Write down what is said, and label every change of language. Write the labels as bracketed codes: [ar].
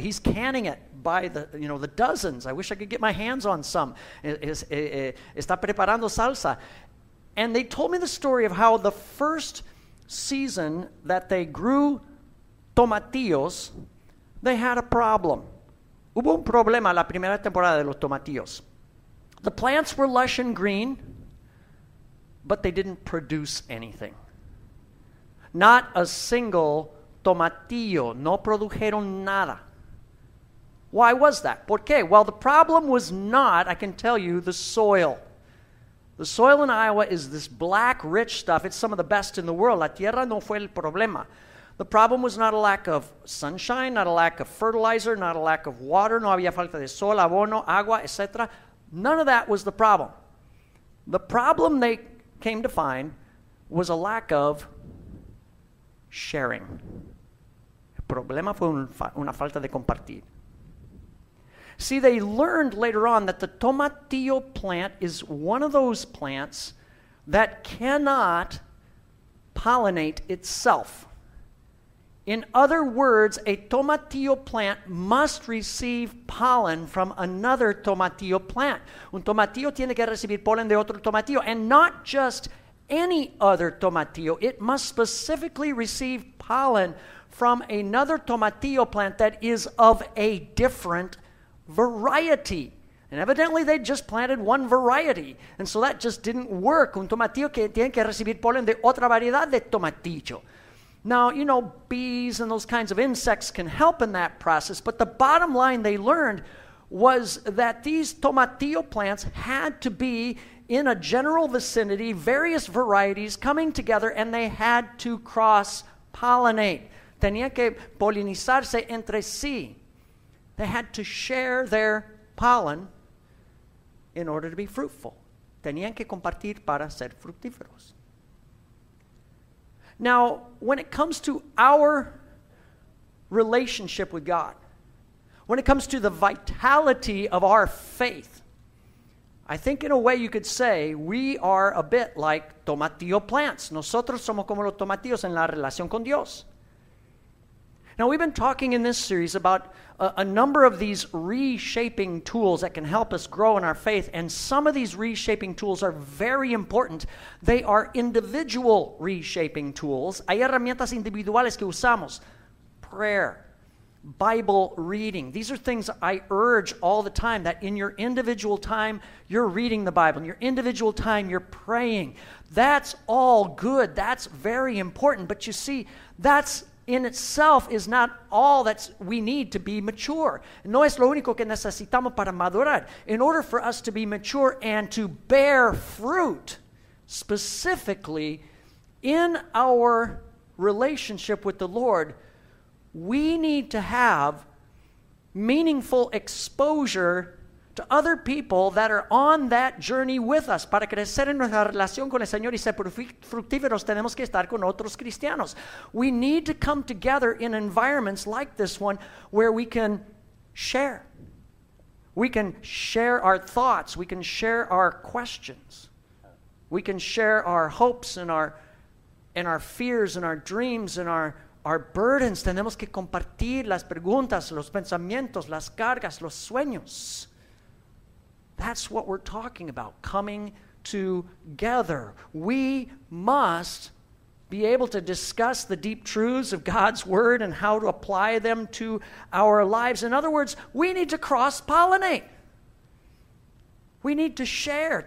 [en] He's canning it by the dozens. I wish I could get my hands on some. [es] Está preparando salsa. [en] And they told me the story of how the first season that they grew tomatillos, they had a problem. [es] Hubo un problema la primera temporada de los tomatillos. [en] The plants were lush and green, but they didn't produce anything. Not a single tomatillo. [es] No produjeron nada. [en] Why was that? [es] ¿Por qué? [en] Well, the problem was not, I can tell you, the soil. The soil in Iowa is this black, rich stuff. It's some of the best in the world. [es] La tierra no fue el problema. [en] The problem was not a lack of sunshine, not a lack of fertilizer, not a lack of water. [es] No había falta de sol, abono, agua, etc. [en] None of that was the problem. The problem they came to find was a lack of sharing. [es] El problema fue una falta de compartir. [en] See, they learned later on that the tomatillo plant is one of those plants that cannot pollinate itself. In other words, a tomatillo plant must receive pollen from another tomatillo plant. [es] Un tomatillo tiene que recibir polen de otro tomatillo. [en] And not just any other tomatillo. It must specifically receive pollen from another tomatillo plant that is of a different variety. And evidently, they just planted one variety. And so that just didn't work. [es] Un tomatillo que tiene que recibir polen de otra variedad de tomatillo. [en] Now, you know, bees and those kinds of insects can help in that process, but the bottom line they learned was that these tomatillo plants had to be in a general vicinity, various varieties coming together, and they had to cross-pollinate. [es] Tenían que polinizarse entre sí. [en] They had to share their pollen in order to be fruitful. [es] Tenían que compartir para ser fructíferos. [en] Now, when it comes to our relationship with God, when it comes to the vitality of our faith, I think in a way you could say we are a bit like tomatillo plants. [es] Nosotros somos como los tomatillos en la relación con Dios. [en] Now, we've been talking in this series about a number of these reshaping tools that can help us grow in our faith, and some of these reshaping tools are very important. They are individual reshaping tools. [es] Hay herramientas individuales que usamos. [en] Prayer, Bible reading. These are things I urge all the time, that in your individual time, you're reading the Bible. In your individual time, you're praying. That's all good. That's very important. But you see, that's in itself is not all that we need to be mature. [es] No es lo único que necesitamos para madurar. [en] In order for us to be mature and to bear fruit, specifically in our relationship with the Lord, we need to have meaningful exposure to other people that are on that journey with us. [es] Para crecer en nuestra relación con el Señor y ser fructíferos, tenemos que estar con otros cristianos. [en] We need to come together in environments like this one where we can share. We can share our thoughts. We can share our questions. We can share our hopes and our fears and our dreams and our burdens. [es] Tenemos que compartir las preguntas, los pensamientos, las cargas, los sueños. [en] That's what we're talking about, coming together. We must be able to discuss the deep truths of God's word and how to apply them to our lives. In other words, we need to cross-pollinate. We need to share.